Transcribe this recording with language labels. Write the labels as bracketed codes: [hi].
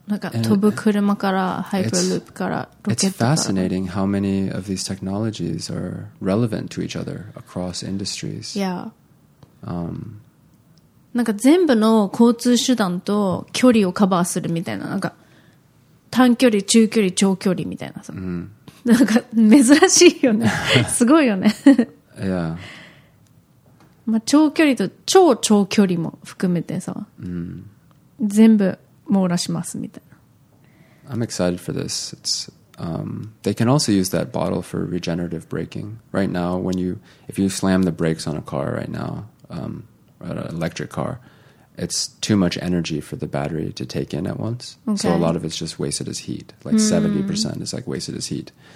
[ja] なんか飛ぶ車からハイプルループからロケットから。 [en] It's fascinating how many of these technologies are relevant to each other across industries. Yeah. [ja] なんか全部の交通手段と距離をカバーするみたいな。なんか短距離、中距離、長距離みたいなさ。なんか珍しいよね。すごいよね。 [en] Yeah. [ja] まあ、長距離と超長距離も含めてさ、全部網羅しますみたいな。 [en] I'm excited for this. It's, they can also use that bottle for regenerative braking. Right now, when you, if you slam the brakes on a car right now, an electric car, it's too much energy for the battery to take in at once. Okay. So a lot of it's just wasted as heat. Like 70% is like wasted as heat.